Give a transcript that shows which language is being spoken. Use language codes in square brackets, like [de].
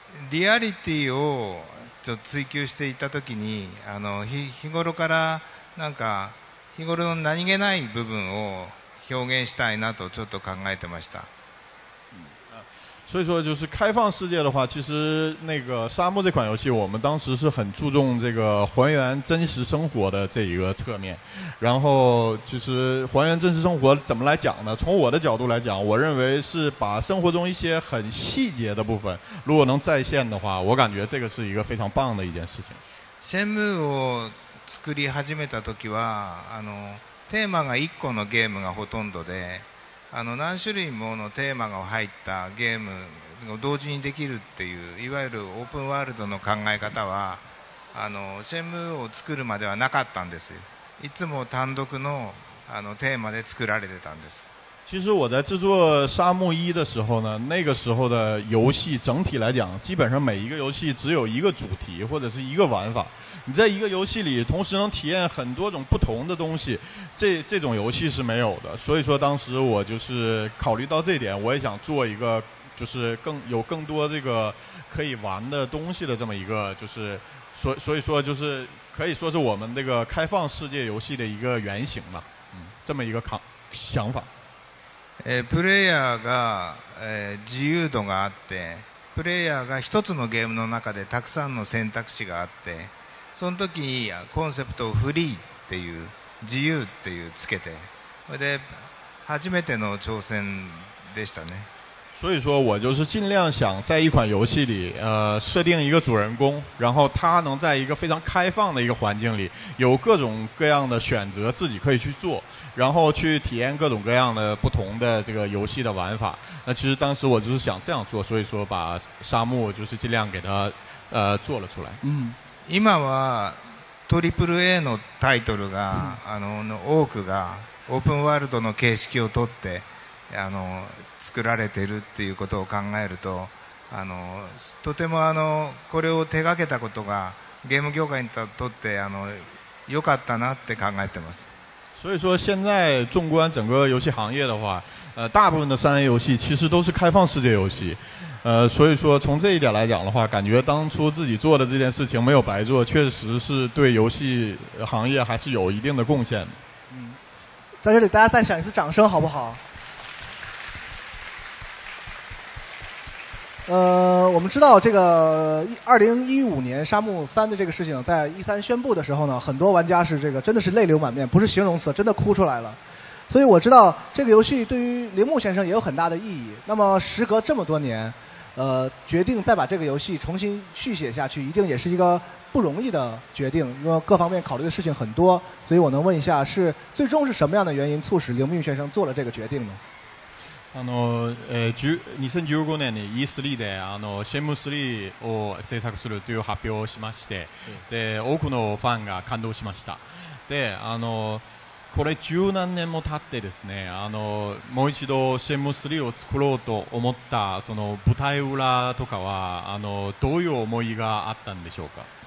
[ja] リアリティをちょっと追求していたときに日頃からなんか日頃の何気ない部分を表現したいなとちょっと考えてました。 [zh] 所以说就是开放世界的话其实那个沙漠这款游戏我们当时是很注重这个还原真实生活的这一个侧面然后其实还原真实生活怎么来讲呢从我的角度来讲我认为是把生活中一些很细节的部分如果能再现的话我感觉这个是一个非常棒的一件事情 [ja] シェンムーを作り始めた時はテーマが1個のゲームがほとんどで何種類ものテーマが入ったゲームを同時にできるっていういわゆるオープンワールドの考え方はシェムを作るまではなかったんですいつも単独 の, テーマで作られてたんです [zh] 其实我在制作沙漠一的时候呢那个时候的游戏整体来讲基本上每一个游戏只有一个主题或者是一个玩法你在一个游戏里同时能体验很多种不同的东西 这种游戏是没有的所以说当时我就是考虑到这点我也想做一个就是更有更多这个可以玩的东西的这么一个就是所以说就是可以说是我们这个开放世界游戏的一个原型嘛这么一个想法 [ja] プレイヤーが、自由度があってプレイヤーが一つのゲームの中でたくさんの選択肢があってその時にコンセプトをフリーっていう自由っていうつけてそれで初めての挑戦でしたね [zh] 所以说我就是尽量想在一款游戏里设定一个主人公，然后他能在一个非常开放的一个环境里有各种各样的选择自己可以去做，然后去体验各种各样的不同的这个游戏的玩法。那其实当时我就是想这样做，所以说把沙漠就是尽量给他做了出来。 [ja] 嗯，今はAAAのタイトルが、の多くがオープンワールドの形式を取って作られているっていうことを考えると、とてもこれを手掛けたことがゲーム業界にとって良かったなって考えてます。 [zh] 所以说现在纵观整个游戏行业的话，大部分的 3A 游戏其实都是开放世界游戏，所以说从这一点来讲的话，感觉当初自己做的这件事情没有白做，确实是对游戏行业还是有一定的贡献的。嗯，在这里大家再响一次掌声好不好？我们知道这个2015年《沙漠三》的这个事情，在E3宣布的时候呢，很多玩家是这个真的是泪流满面，不是形容词，真的哭出来了。所以我知道这个游戏对于铃木先生也有很大的意义。那么时隔这么多年，决定再把这个游戏重新续写下去，一定也是一个不容易的决定，因为各方面考虑的事情很多。所以我能问一下，是最终是什么样的原因促使铃木先生做了这个决定呢？ [ja] 2015年に E3 でシェンムー3を制作するという発表をしまして、で多くのファンが感動しました。でこれ十何年も経ってですね、もう一度シェンムー3を作ろうと思ったその舞台裏とかはどういう思いがあったんでしょうか？